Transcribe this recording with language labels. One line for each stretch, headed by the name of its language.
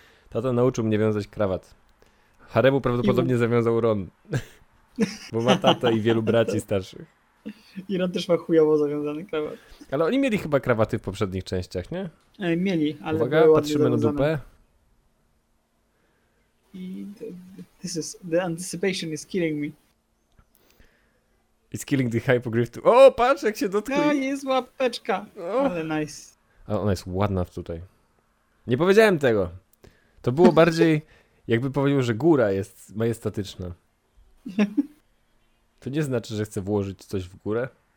Polish: Tata nauczył mnie wiązać krawat. Haremu prawdopodobnie zawiązał Ron. Bo ma tata i wielu braci starszych. I Ron też ma chujowo zawiązany krawat. Ale oni mieli chyba krawaty w poprzednich częściach, nie? Mieli, ale uwaga, patrzymy na dupę. I
English: this is the anticipation is killing me. It's killing the hypogryph too.
Polish: O, patrz jak się dotknął. No, jest łapeczka, ale
English: nice.
Polish: Ale ona jest ładna tutaj. Nie powiedziałem tego. To było bardziej, jakby powiedział, że góra jest majestatyczna. To nie znaczy, że chcę włożyć coś w górę.